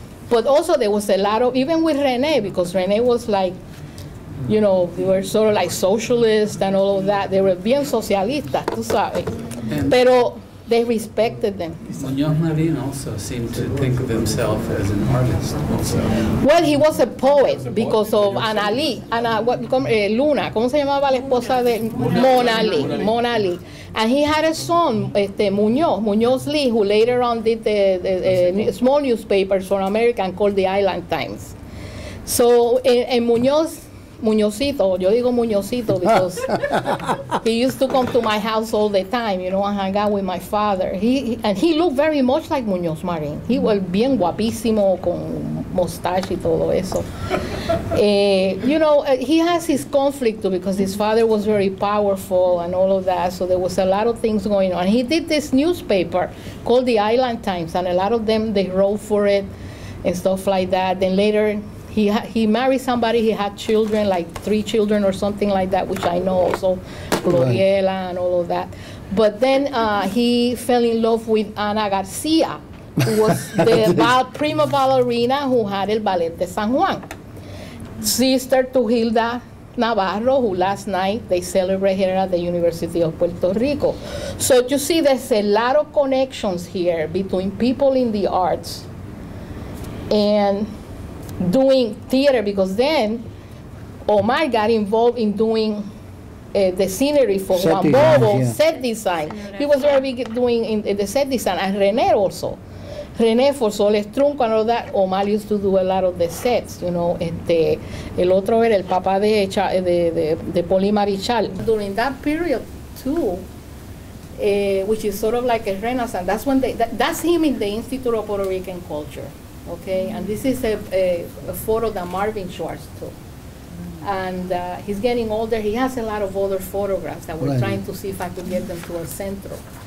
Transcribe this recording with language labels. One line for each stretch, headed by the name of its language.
English: But also there was a lot of, even with René, because René was like, you know, they were sort of like socialist and all of that. They were
Spanish: bien socialistas, tú sabes. Pero
English: they respected them. Muñoz Marín also seemed to think of himself as an artist also. Well, he was a poet because of Luna.
Spanish: ¿Cómo se llamaba la esposa de Mona Lee?
English: And he had a son, Muñoz Lee, who later on did the small newspapers for American called the Island Times. So in Muñozito,
Spanish: yo digo Muñozito
English: because he used to come to my house all the time, you know, and hang out with my father. He looked very much like Muñoz Marín. He was
Spanish: bien guapísimo con mustache y todo eso.
English: He has his conflict too because his father was very powerful and all of that. So there was a lot of things going on. He did this newspaper called the Island Times, and a lot of them, they wrote for it and stuff like that. Then later, he married somebody, he had children, like three children or something like that, which I know also, Gloriela and all of that. But then he fell in love with Ana Garcia, who was the prima ballerina who had El Ballet de San Juan. Sister to Hilda Navarro, who last night they celebrated here at the University of Puerto Rico. So you see there's a lot of connections here between people in the arts and doing theater, because then Omar got involved in doing the scenery for Juan Bobo, set design. He was very big doing in the set design, and René also. René for Soles Trunco and all that. Omar used to do a lot of the sets, you know.
Spanish: El otro era el papá de Poli Marichal.
English: During that period too, which is sort of like a renaissance, that's when that's him in the Institute of Puerto Rican Culture. Okay, and this is a photo that Marvin Schwartz took. Mm-hmm. And he's getting older. He has a lot of other photographs that we're trying to see if I could get them to El Centro.